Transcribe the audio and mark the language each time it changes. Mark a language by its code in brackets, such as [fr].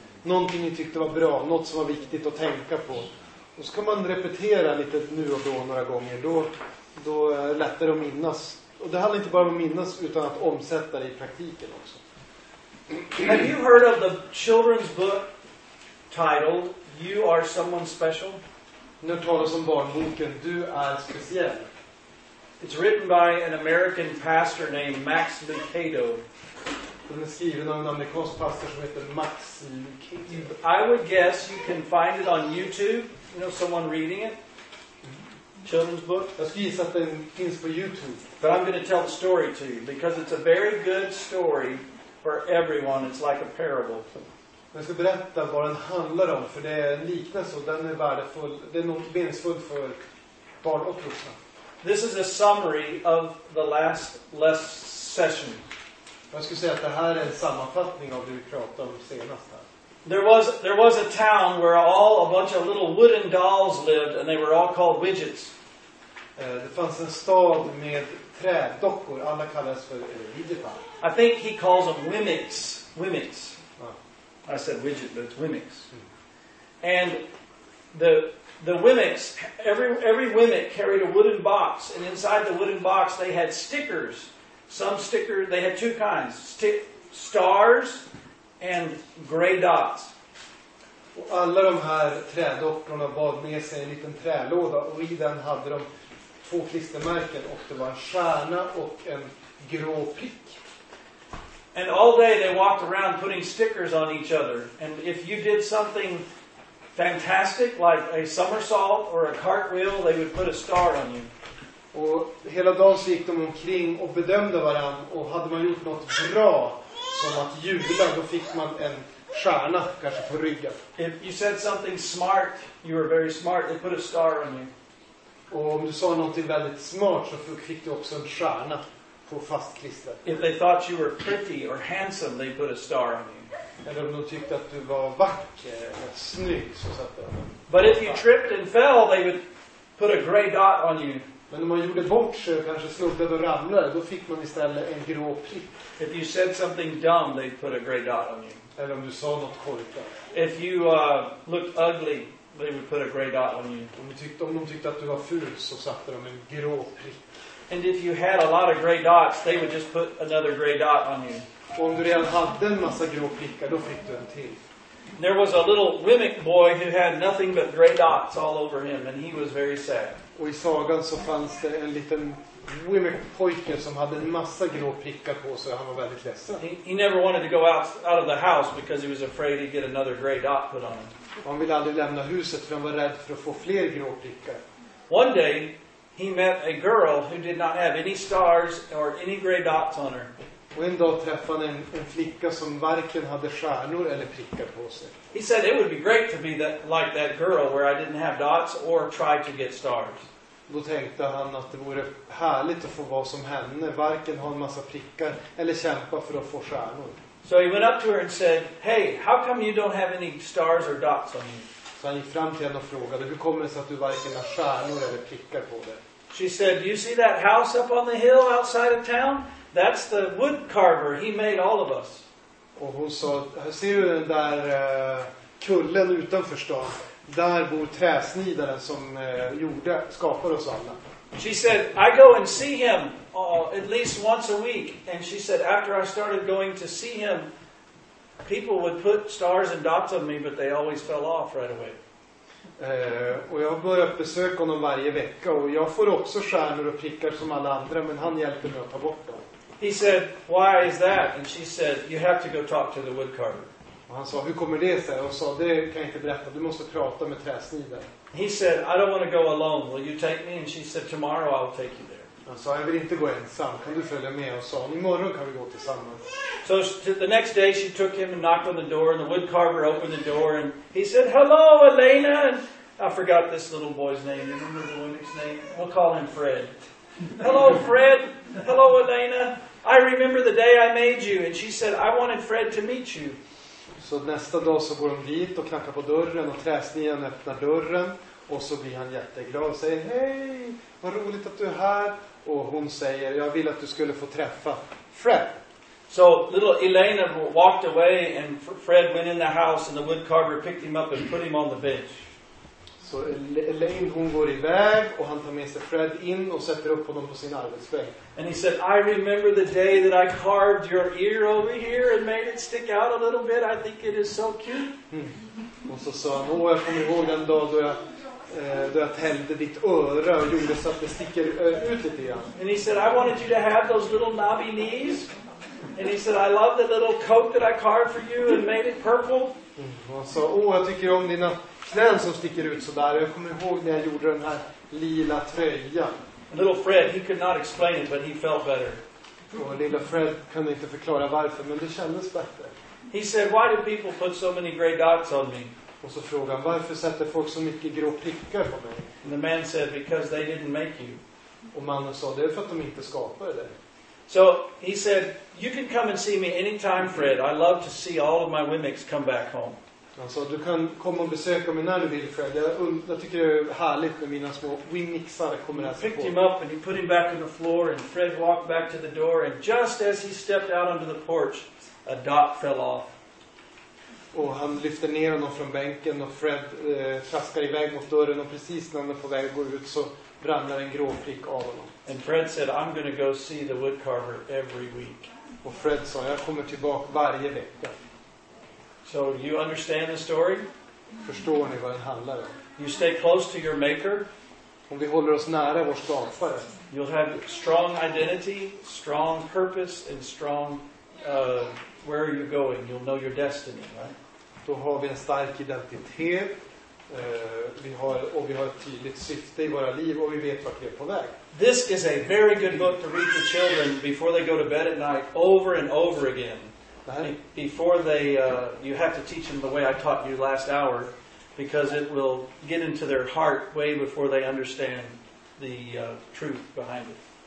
[sv] Någonting ni tyckte var bra, något som var viktigt att tänka på. Och så kan man repetera lite nu och då några gånger. Då är det lättare att minnas. Och det handlar inte bara om att minnas, utan att omsätta det i praktiken också. [en] Have you heard of the children's book titled You Are Someone Special? [sv] Nu talas om barnboken Du är speciell. [en] It's written by an American pastor named Max Lucado. [sv] Den är skriven av en amerikansk pastor som heter Max Lucado. [en] I would guess you can find it on YouTube. You know, someone reading it. Children's book. [sv] Jag skulle gissa att den finns på YouTube. [en] But I'm going to tell the story to you because it's a very good story. For everyone, it's like a parable. [sv] Jag ska berätta vad den handlar om, för det är liknande, så den är värdefull, det är något meningsfullt för barn och vuxna. [en] This is a summary of the last session. [sv] Jag skulle säga att det här är en sammanfattning av det vi pratade om senast här. [en] There was a town where all a bunch of little wooden dolls lived, and they were all called widgets. [sv] Det fanns en stad med trädockor, alla kallades för widgetar. [en] I think he calls them Wimmicks. Wimmicks. Oh. I said widget, but it's Wimmicks. Mm. And the Wimmicks, every Wimmick carried a wooden box, and inside the wooden box they had stickers. Some sticker, they had two kinds, stars and gray dots. [sv] Och alla de här trädockorna bad med sig en liten trälåda, och i den hade de två klistermärken, och det var en stjärna och en grå prick. [en] And all day they walked around putting stickers on each other. And if you did something fantastic, like a somersault or a cartwheel, they would put a star on you. [sv] Och hela dagen så gick de omkring och bedömde varandra. Och hade man gjort något bra, som att jubla, då fick man en stjärna kanske på ryggen. [en] If you said something smart, you were very smart, they put a star on you. [sv] Och om du sa någonting väldigt smart så fick du också en stjärna. [en] If they thought you were pretty or handsome, they put a star on you. [sv] Eller om de tyckte att du var vacker eller snygg, så satt de. [en] But if you tripped and fell, they would put a gray dot on you. [sv] Men om man gjorde bort sig och kanske snubblade och ramlade, då fick man istället en grå prick. [en] If you said something dumb, they'd put a gray dot on you. [sv] Eller om du sa något korkat. [en] If you looked ugly, they would put a gray dot on you. [sv] Om de tyckte att du var ful, så satte de en grå prick. [en] And if you had a lot of gray dots, they would just put another gray dot on you. [sv] Och om du redan hade en massa grå prickar, då fick du en till. [en] There was a little Wemmick boy who had nothing but gray dots all over him, and he was very sad. [sv] Och i sagan så fanns det en liten Wemmick pojke som hade en massa grå prickar på sig, och han var väldigt ledsen. [en] He never wanted to go out of the house because he was afraid he'd get another gray dot put on him. [sv] Han ville aldrig lämna huset för han var rädd för att få fler grå prickar. [en] One day he met a girl who did not have any stars or any gray dots on her. [sv] Och en dag träffade han en flicka som varken hade stjärnor eller prickar på sig. [en] He said it would be great to be that, like that girl where I didn't have dots or tried to get stars. [sv] Då tänkte han att det vore härligt att få vara som henne, varken ha en massa prickar eller kämpa för att få stjärnor. [en] So he went up to her and said, hey, how come you don't have any stars or dots on you? [sv] Så han gick fram till henne och frågade, hur kommer det sig att du varken har stjärnor eller prickar på dig? [en] She said, you see that house up on the hill outside of town? That's the wood carver. He made all of us. [sv] Och hon sa, ser du den där kullen utanför stan? Där bor träsnidaren som skapade oss alla. [en] She said, I go and see him at least once a week. And she said, after I started going to see him, people would put stars and dots on me, but they always fell off right away. [sv] Och jag börjar besöka honom varje vecka. Och jag får också stjärnor och prickar som alla andra, men han hjälper mig att ta bort dem. [en] He said, why is that? And she said, you have to go talk to the woodcarver. [sv] Och han sa, hur kommer det sig? Och sa, det kan jag inte berätta. Du måste prata med träsnidaren. [en] He said, I don't want to go alone. Will you take me? And she said, tomorrow I'll take you there. [sv] Han sa, jag vill inte gå ensam. Kan du följa med? Och sa, imorgon kan vi gå tillsammans. [en] So the next day she took him and knocked on the door. And the woodcarver opened the door. And he said, hello, Elena. And I forgot this little boy's name. You remember the woman's name? We'll call him Fred. Hello, Fred. Hello, Elena. I remember the day I made you. And she said, I wanted Fred to meet you. [sv] Så nästa dag så går de dit och knackar på dörren och träsnigen öppnar dörren. Och så blir han jätteglad och säger, hej, vad roligt att du är här. Och hon säger, jag vill att du skulle få träffa Fred. [en] So little Elena walked away and Fred went in the house and the woodcarver picked him up and put him on the bench. [sv] Så Elaine, hon går iväg och han tar med sig Fred in och sätter upp honom på sin arbetsbänk. [en] And he said, I remember the day that I carved your ear over here and made it stick out a little bit. I think it is so cute. [sv] Och så sa han, jag kommer ihåg den dag då jag tällde ditt öra och gjorde så att det sticker ut lite grann. [en] And he said, I wanted you to have those little knobby knees. And he said, I love the little coat that I carved for you and made it purple. [sv] Och han sa, jag tycker om dina knän som sticker ut så där. Jag kommer ihåg när jag gjorde den här lila tröjan. [en] Little Fred, he could not explain it, but he felt better. [sv] Och lilla Fred kunde inte förklara varför, men det kändes bättre. [en] He said, why do people put so many gray dots on me? [sv] Och så frågade han, varför sätter folk så mycket grå prickar på mig? [en] And the man said, because they didn't make you. [sv] Och mannen sa, det är för att de inte skapade dig. [en] So he said, you can come and see me anytime, Fred. I love to see all of my Wemmicks come back home. [sv] Han sa, du kan komma och besöka mig när du vill, Fred. Jag tycker det är härligt med mina små Wemmicksar kommer här. [en] He picked him up and he put him back on the floor and Fred walked back to the door and just as he stepped out onto the porch, a dot fell off. [sv] Och han lyfte ner honom från bänken och Fred traskar iväg mot dörren och precis när han är på väg att gå ut så ramlar en grå prick av honom. [en] And Fred said, I'm going to go see the woodcarver every week. [sv] Och Fred sa, jag kommer tillbaka varje vecka. [en] So you understand the story? [sv] Förstår ni vad det handlar om? [en] You stay close to your maker. [sv] Om vi håller oss nära vår skapare. [en] You'll have strong identity, strong purpose and strong where are you going? You'll know your destiny, right? [sv] Då har vi en stark identitet. Vi har ett tydligt syfte i våra liv och vi vet vart vi är på väg. [en] This is a very good book to read to children before they go to bed at night over and over again. Before they, you have to teach them the way I taught you last hour, because it will get into their heart way before they understand the truth behind it.